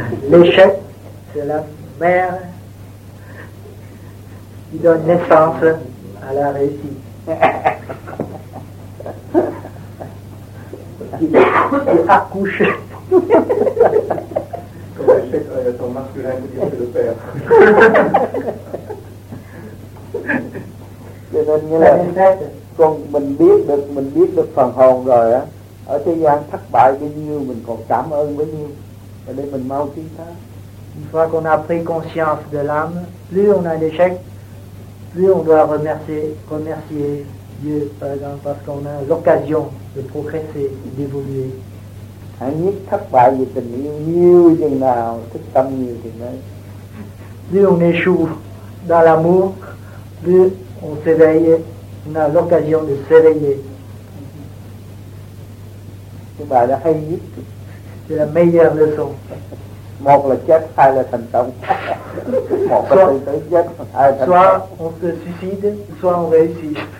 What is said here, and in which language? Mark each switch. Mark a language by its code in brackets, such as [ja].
[fr] L'échec, c'est la mère qui donne naissance à la réussite. Qui accouche. Comme l'échec, il y a ton masculin qui dit que c'est le père. [vi] Cho nên như là con mình biết được phần hồn rồi á, ở thế gian thất bại bao nhiêu mình còn cảm ơn bấy nhiêu, và để mình mau tiến tới. [fr] Une fois qu'on a pris conscience de l'âme, plus on a l'échec, plus on doit remercier Dieu, par exemple, parce qu'on a l'occasion de progresser, d'évoluer. [vi] Hãy biết thất bại vì tình yêu nhiều chừng nào, thức tâm nhiều chừng đấy. [fr] Plus on échoue dans l'amour, plus on s'éveille, on a l'occasion de s'éveiller. C'est la meilleure leçon. [vi] Một là chết, hai là thành công. Một là tự tử chết, hai là thành công. [fr] Soit on se suicide, soit on réussit.